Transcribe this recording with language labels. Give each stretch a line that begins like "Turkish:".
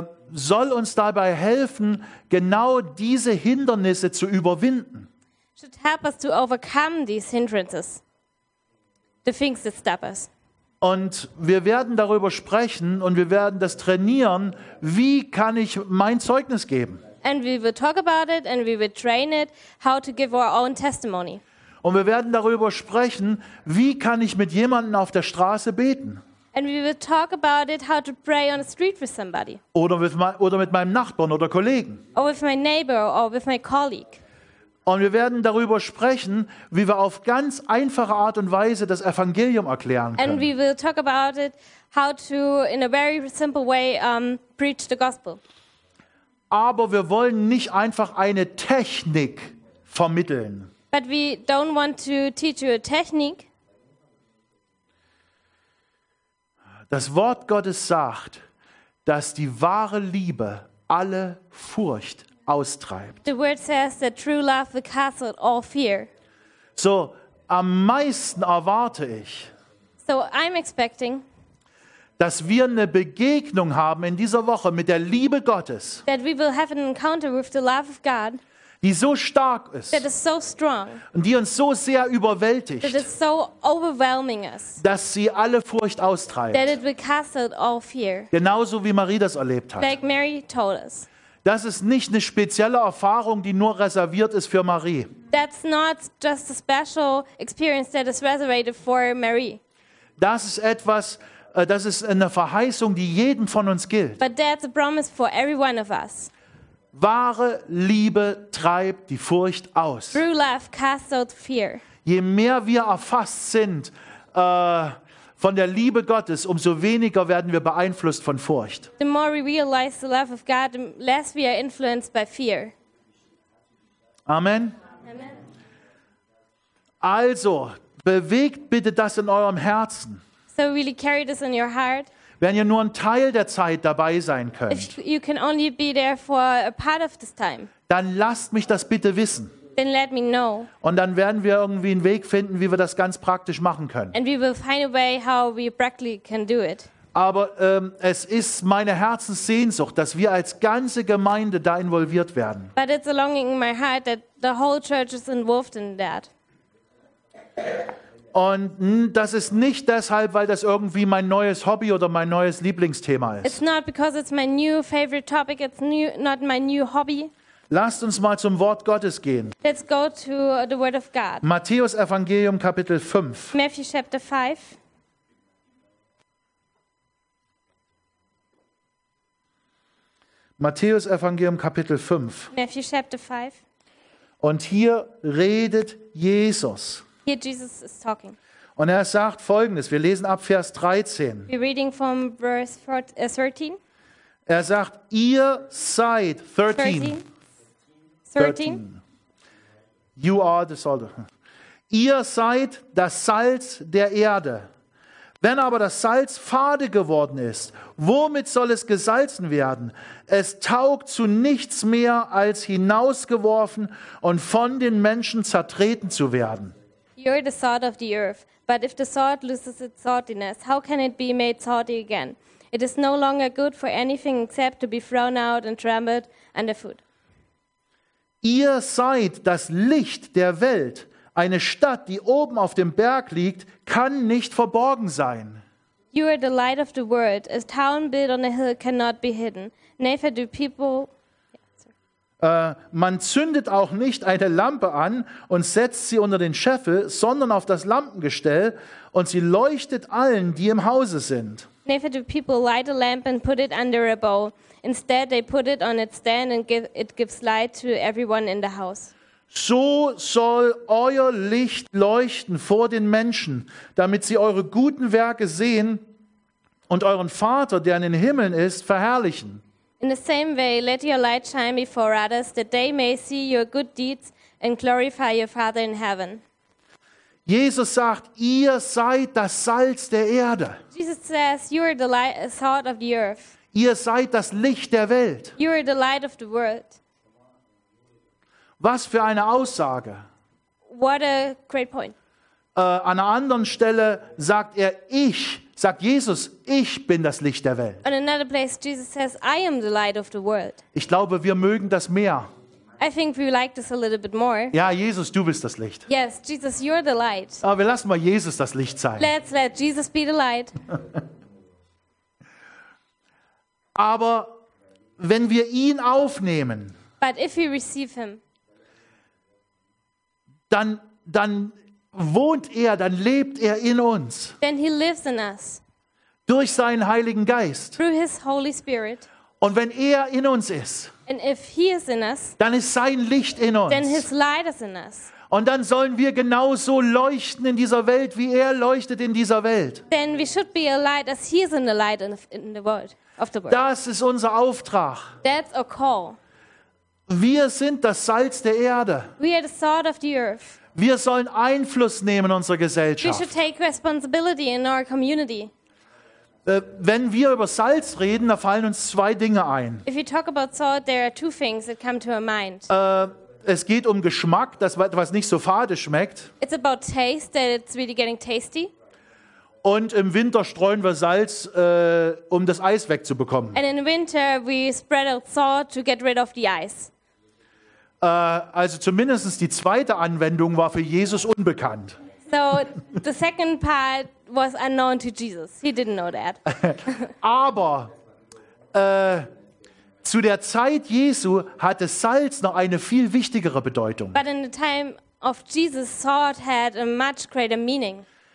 German: Soll uns dabei helfen, genau diese Hindernisse zu überwinden.
English: Should help us to overcome these hindrances, the things that stop us.
German: Und wir werden darüber sprechen und wir werden das trainieren. Wie kann ich mein Zeugnis geben?
English: And we will talk about it and we will train it how to give our own testimony.
German: Und wir werden darüber sprechen, wie kann ich mit jemandem auf der Straße beten?
English: And we will talk about it, how to pray on the street with somebody.
German: Oder mit meinem Nachbarn oder Kollegen.
English: Or with my neighbor or with my colleague.
German: Und wir werden darüber sprechen, wie wir auf ganz einfache Art und Weise das Evangelium erklären können.
English: And we will talk about it, how to, in a very simple way, preach the gospel.
German: Aber wir wollen nicht einfach eine Technik vermitteln.
English: But we don't want to teach you a technique.
German: Das Wort Gottes sagt, dass die wahre Liebe alle Furcht austreibt.
English: The word says that true love will cast out all fear.
German: So, am meisten erwarte ich,
English: so I'm expecting,
German: dass wir eine Begegnung haben in dieser Woche mit der Liebe Gottes,
English: that we will have an encounter with the love of God,
German: die so stark ist,
English: that is so strong,
German: und die uns so sehr überwältigt,
English: that is so overwhelming us,
German: dass sie alle Furcht austreibt,
English: that it will cast out all fear,
German: genauso wie Marie das erlebt hat.
English: Like Mary told us.
German: Das ist nicht eine spezielle Erfahrung, die nur reserviert ist für Marie.
English: That's not just a special experience that is reserved for Marie.
German: Das ist etwas, das ist eine Verheißung, die jedem von uns gilt.
English: But that's a promise for every one of us.
German: Wahre Liebe treibt die Furcht aus.
English: True love casts out fear.
German: Je mehr wir erfasst sind von der Liebe Gottes, umso weniger werden wir beeinflusst von Furcht.
English: The more we realize the love of God, the less we are influenced by fear.
German: Amen.
English: Amen.
German: Also, bewegt bitte das in eurem Herzen.
English: So really carry this in your heart.
German: Wenn ihr nur einen Teil der Zeit dabei sein könnt,
English: if you can only be there for a part of this time,
German: dann lasst mich das bitte wissen.
English: Then let me know.
German: Und dann werden wir irgendwie einen Weg finden, wie wir das ganz praktisch machen können.
English: And we will find a way how we practically can do it.
German: Aber es ist meine Herzenssehnsucht, dass wir als ganze Gemeinde da involviert werden.
English: But it's a longing in my heart that the whole church is involved in that.
German: Und das ist nicht deshalb, weil das irgendwie mein neues Hobby oder mein neues Lieblingsthema ist.
English: It's not because it's my new favorite topic. It's new, not my new hobby.
German: Lasst uns mal zum Wort Gottes gehen.
English: Let's go to the word of God.
German: Matthäus Evangelium Kapitel 5.
English: Matthew chapter 5.
German: Matthäus Evangelium Kapitel 5.
English: Matthew chapter 5.
German: Und hier redet Jesus.
English: Here Jesus is talking.
German: Und er sagt Folgendes, wir lesen ab Vers 13.
English: We're reading from verse 13.
German: Er sagt, ihr seid 13.
English: You are the salt.
German: Ihr seid das Salz der Erde. Wenn aber das Salz fade geworden ist, womit soll es gesalzen werden? Es taugt zu nichts mehr, als hinausgeworfen und von den Menschen zertreten zu werden.
English: You are the salt of the earth. But if the salt loses its saltiness, how can it be made salty again? It is no longer good for anything except to be thrown out and trampled underfoot.
German: Ihr seid das Licht der Welt. Eine Stadt, die oben auf dem Berg liegt, kann nicht verborgen sein.
English: You are the light of the world. A town built on a hill cannot be hidden. Neither do people.
German: Man zündet auch nicht eine Lampe an und setzt sie unter den Scheffel, sondern auf das Lampengestell, und sie leuchtet allen, die im Hause sind.
English: Neither do people light a lamp and put it under a bowl. Instead, they put it on its stand and it gives light to everyone in the house.
German: So soll euer Licht leuchten vor den Menschen, damit sie eure guten Werke sehen und euren Vater, der in den Himmeln ist, verherrlichen.
English: In the same way, let your light shine before others, that they may see your good deeds and glorify your Father in heaven.
German: Jesus sagt, ihr seid das Salz der Erde.
English: Jesus says, you are the light, salt of the earth.
German: Ihr seid das Licht der Welt.
English: You are the light of the world.
German: Was für eine Aussage.
English: What a great point.
German: An einer anderen Stelle sagt er, Jesus, ich bin das Licht der Welt.
English: On another place, Jesus says, I am the light of the world.
German: Ich glaube, wir mögen das mehr.
English: I think we like this a little bit more.
German: Ja, Jesus, du bist das Licht.
English: Yes, Jesus, you're the light.
German: Aber wir lassen mal Jesus das Licht sein.
English: Let's let Jesus be the light.
German: Aber wenn wir ihn aufnehmen,
English: but if we receive him,
German: dann wohnt er, dann lebt er in uns.
English: Then he lives in us.
German: Durch seinen Heiligen Geist.
English: Through his Holy Spirit.
German: Und wenn er in uns ist,
English: And if he is in us,
German: dann ist sein Licht in uns.
English: Then his light is in us.
German: Und dann sollen wir genauso leuchten in dieser Welt, wie er leuchtet in dieser Welt.
English: Then we should be a light as he is in the light in the world. Of the world.
German: Das ist unser Auftrag.
English: That's a call.
German: Wir sind das Salz der Erde.
English: We are the salt of the earth.
German: Wir sollen Einfluss nehmen in unserer Gesellschaft.
English: We should take responsibility in our community.
German: Wenn wir über Salz reden, da fallen uns zwei Dinge ein.
English: If you talk about salt, there are two things that come to our mind.
German: Es geht um Geschmack, dass etwas nicht so fade schmeckt.
English: It's about taste, that it's really getting tasty.
German: Und im Winter streuen wir Salz, um das Eis wegzubekommen.
English: And in winter we spread out salt to get rid of the ice.
German: Also zumindest die zweite Anwendung war für Jesus unbekannt.
English: So the second part was unknown to Jesus. He didn't know that.
German: Aber zu der Zeit Jesu hatte Salz noch eine viel wichtigere Bedeutung.
English: But in the time of Jesus, salt had a much greater meaning.